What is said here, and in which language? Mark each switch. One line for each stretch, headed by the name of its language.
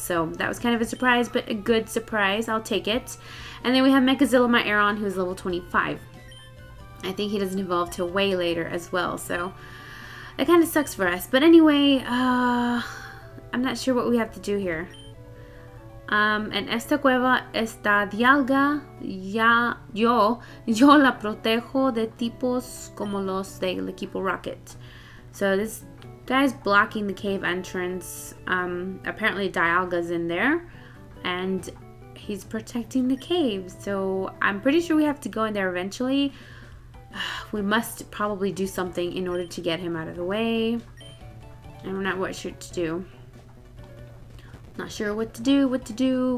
English: So that was kind of a surprise, but a good surprise. I'll take it. And then we have Mechazilla, my Aeron, who is level 25. I think he doesn't evolve till way later as well. So that kind of sucks for us. But anyway, I'm not sure what we have to do here.
Spanish: En esta cueva está Dialga. Yo la protejo de tipos como los del equipo Rocket.
English: So this guy's blocking the cave entrance. Apparently Dialga's in there and he's protecting the cave, so I'm pretty sure we have to go in there eventually. We must probably do something in order to get him out of the way. I'm not sure what to do. Not sure what to do.